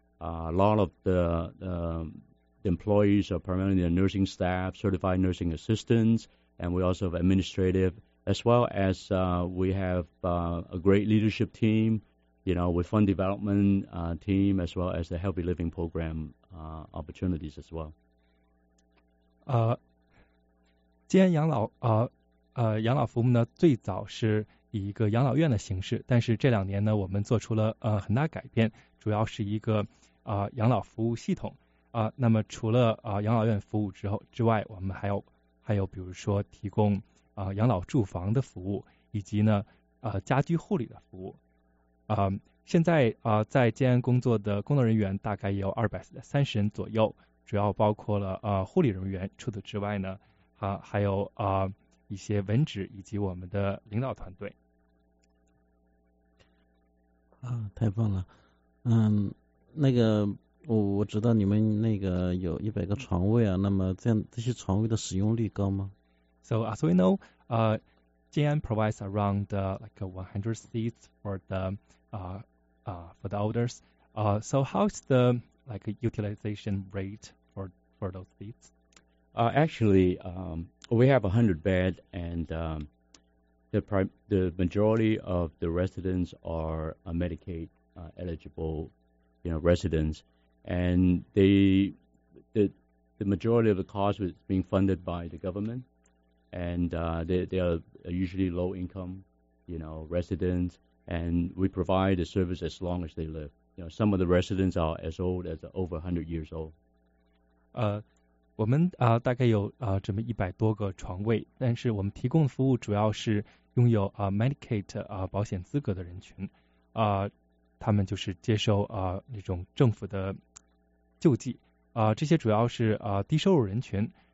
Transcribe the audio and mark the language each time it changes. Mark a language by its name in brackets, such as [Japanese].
[English] A lot of the employees are primarily the nursing staff, certified nursing assistants, and we also have administrative, as well as we have a great leadership team, you know, with fund development team, as well as the healthy living program opportunities as well. [Chinese] 吉安养老养老服务呢，最早是以一个养老院的形式，但是这两年呢，我们做出了很大改变，主要是一个养老服务系统那么除了养老院服务之外，我们还有比如说提供养老住房的服务，以及呢家居护理的服务现在在吉安工作的工作人员大概也有230人左右，主要包括了护理人员，除此之外呢还有一些文职以及我们的领导团队太棒了。我知道你们那个有100个床位啊，那么这些床位的使用率高吗？ [English] So as we know, JN provides around like 100 seats for the for the elders. So how's the like utilization rate for those seats? We have 100 beds, and the majority of the residents are Medicaid eligible, residents, and the majority of the cost is being funded by the government, and they are usually low income, residents, and we provide the service as long as they live. Some of the residents are as old as over 100 years old. [Chinese] 我们大概有这么100多个床位，但是我们提供的服务主要是拥有Medicaid 保险资格的人群他们就是接受那种政府的救济这些主要是低收入人群